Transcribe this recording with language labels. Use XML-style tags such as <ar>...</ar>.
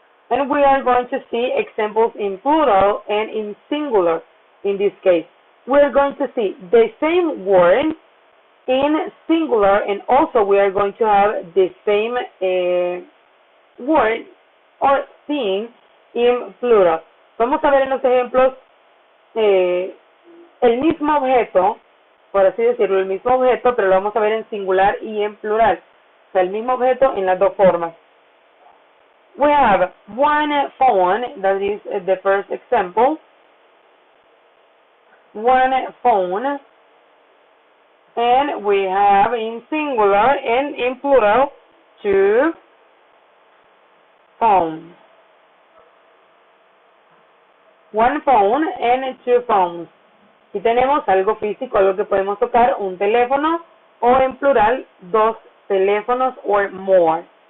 <en>And we are going to see examples in plural and in singular in this case. We're going to see the same word in singular, and also we are going to have the same word or thing in plural.</en> <es>Vamos a ver en los ejemplos el mismo objeto, por así decirlo, el mismo objeto, pero lo vamos a ver en singular y en plural. O sea, el mismo objeto en las dos formas.</es> <en>We have one phone, that is the first example. One phone. And we have in singular and in plural two phones. One phone and two phones.</en> <es>Y tenemos algo físico, algo que podemos tocar, un teléfono, o en plural, dos teléfonos</es> <en>or more.</en>